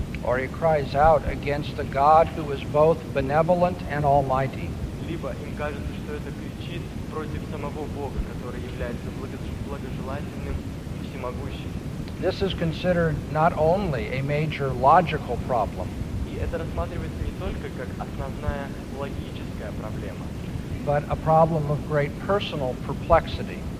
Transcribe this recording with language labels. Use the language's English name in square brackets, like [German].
[English] Or it cries out against the God who is both benevolent and almighty. [Russian] Либо им кажется, что это кричит против самого Бога, который является благожелательным и всемогущим. [English] This is considered not only a major logical problem. [Russian] И это рассматривается не только как основная логическая проблема, [English] but a problem of great personal perplexity.